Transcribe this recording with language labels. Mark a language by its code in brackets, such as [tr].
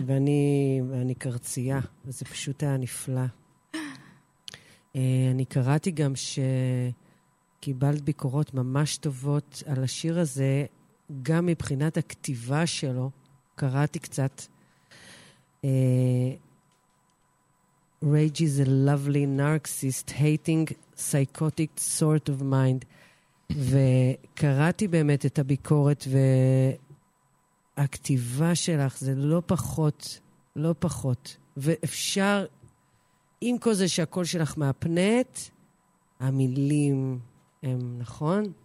[he] ואני קרצייה, וזה פשוט היה נפלא. אני קראתי גם שקיבלת ביקורות ממש טובות על השיר הזה, גם מבחינת הכתיבה שלו, קראתי קצת. [en] Rage is a lovely narcissist hating psychotic sort of mind. [he] וקראתי באמת את הביקורת, והכתיבה שלך זה לא פחות, לא פחות. ואפשר, עם כל זה שהקול שלך מהפנט, המילים הם, נכון?